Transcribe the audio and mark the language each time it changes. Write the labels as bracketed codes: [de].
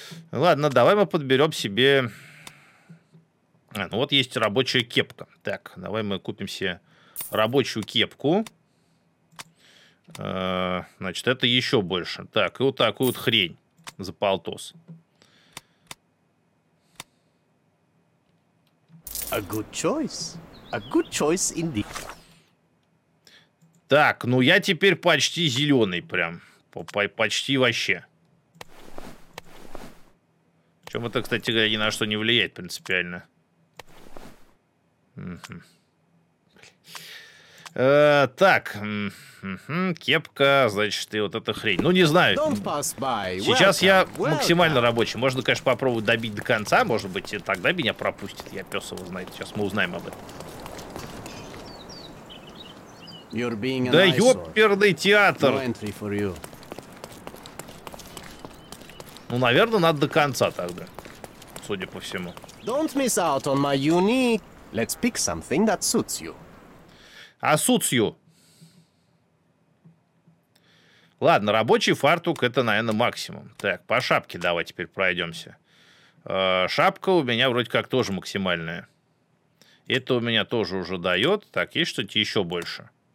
[ru] Ладно, давай мы подберем себе... ну вот есть рабочая кепка. Так, давай мы купим себе рабочую кепку. Значит, это еще больше. Так, и вот такую вот хрень за полтос. [en] A good choice. A good choice indeed. [ru] Так, ну я теперь почти зеленый прям. Почти вообще. Причем это, кстати говоря, ни на что не влияет принципиально. Так, кепка, значит, и вот эта хрень. Ну, не знаю. Сейчас я максимально рабочий. Можно, конечно, попробовать добить до конца. Может быть, и тогда меня пропустит. Я пес его знает. Сейчас мы узнаем об этом. Да ёперный театр. Ну, наверное, надо до конца тогда. Судя по всему. [en] Don't miss out on my unique. Let's pick something that suits you. А suits you. [ru] Ладно, рабочий фартук это, наверное, максимум. Так, по шапке давай теперь пройдемся. Шапка у меня вроде как тоже максимальная. Это у меня тоже уже дает. Так, есть что-то еще больше?